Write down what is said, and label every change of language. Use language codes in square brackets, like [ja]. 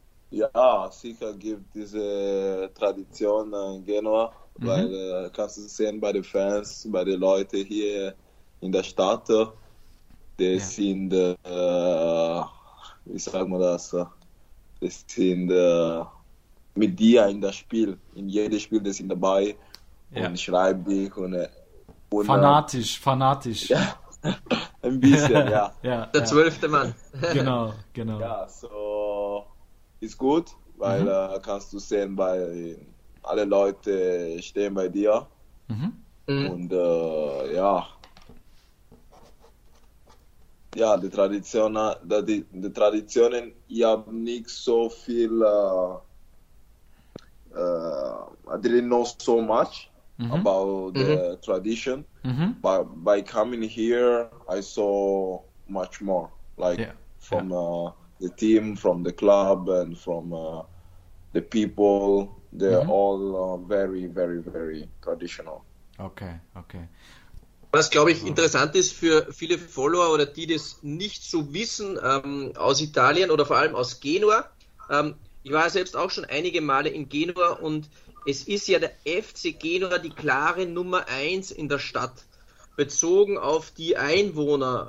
[de] Ja, sicher gibt es diese Tradition in Genua, weil kannst du sehen bei den Fans, bei den Leuten hier in der Stadt, die sind, wie sagen wir das, die sind mit dir in das Spiel, in jedem Spiel, die sind dabei und schreiben dich. Und fanatisch, fanatisch. Ja, ein bisschen, ja. Der 12. Mann. Genau, genau. Ja, so ist gut, weil kannst du sehen, weil alle Leute stehen bei dir. Und ja, die Tradition, die Traditionen, ich habe nicht so viel, [en] I didn't know so much about the tradition, but by coming here, I saw much more, like from the team, from the club, and from the people, they're all very, very, very traditional. [de] Okay, okay. Was, glaube ich, interessant ist für viele Follower oder die das nicht so wissen, aus Italien oder vor allem aus Genua. Ich war selbst auch schon einige Male in Genua und es ist ja der FC Genua die klare Nummer 1 in der Stadt, bezogen auf die Einwohner.